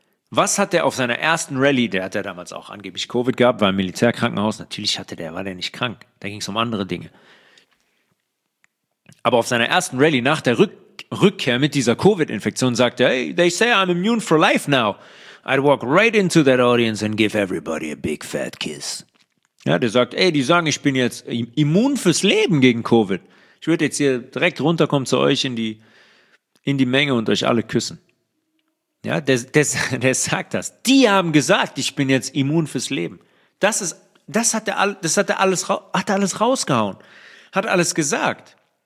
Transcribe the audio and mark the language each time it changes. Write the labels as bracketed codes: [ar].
[de] Was hat der auf seiner ersten Rallye, der hat ja damals auch angeblich Covid gehabt, war im Militärkrankenhaus, natürlich hatte der, war der nicht krank, da ging es um andere Dinge. Aber auf seiner ersten Rallye nach der Rückkehr mit dieser Covid-Infektion sagte er, hey, [en] they say I'm immune for life now. I'd walk right into that audience and give everybody a big fat kiss. [de] Ja, der sagt, ey, die sagen, ich bin jetzt immun fürs Leben gegen Covid. Ich würde jetzt hier direkt runterkommen zu euch in die Menge und euch alle küssen. Ja, der sagt das. Die haben gesagt, ich bin jetzt immun fürs Leben. Das hat er alles rausgehauen. Hat alles gesagt.